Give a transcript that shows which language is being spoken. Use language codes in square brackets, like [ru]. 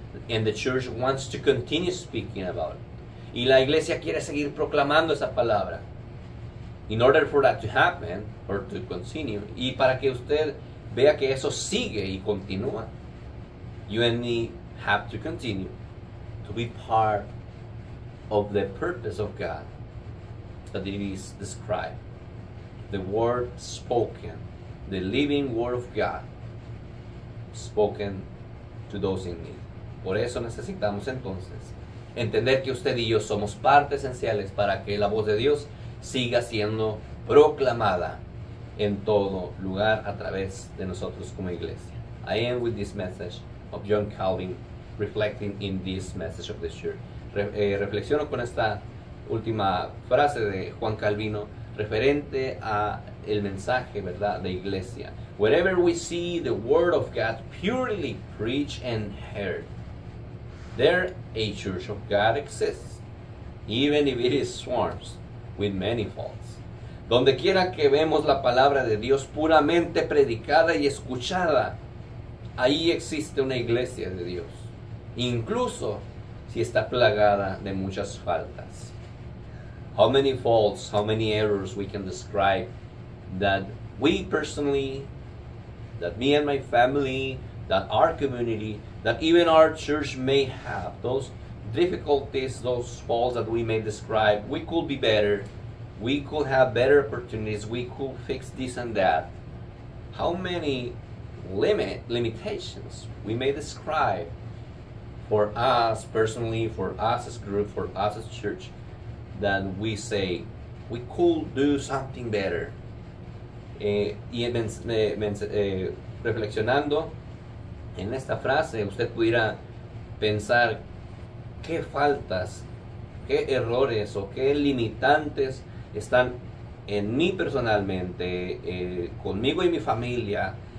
[en] And the church wants to continue speaking about it. [es] Y la iglesia quiere seguir proclamando esa palabra. [en] In order for that to happen, or to continue, [es] y para que usted vea que eso sigue y continúa, [en] you and me have to continue to be part of the purpose of God that it is described the word spoken, the living word of God, spoken to those in need. [es] Por eso necesitamos entonces entender que usted y yo somos partes esenciales para que la voz de Dios siga siendo proclamada en todo lugar a través de nosotros como iglesia. [en] I end with this message of John Calvin, reflecting in this message of the church. [es] Reflexiono con esta última frase de Juan Calvino referente a el mensaje, ¿verdad?, de iglesia. [en] Wherever we see the word of God purely preached and heard, there a church of God exists, even if it is swarms with many faults. [es] Donde quiera que vemos la palabra de Dios puramente predicada y escuchada, ahí existe una iglesia de Dios, incluso si está plagada de muchas faltas. [en] How many faults, how many errors we can describe that we personally, that me and my family, that our community, that even our church may have. Those difficulties, those faults that we may describe, we could be better. We could have better opportunities. We could fix this and that. How many limitations we may describe for us personally, for us as group, for us as church, that we say we could do something better. [es] Reflexionando en esta frase, usted pudiera pensar qué faltas, qué errores o qué limitantes están en mí personalmente, conmigo y mi familia,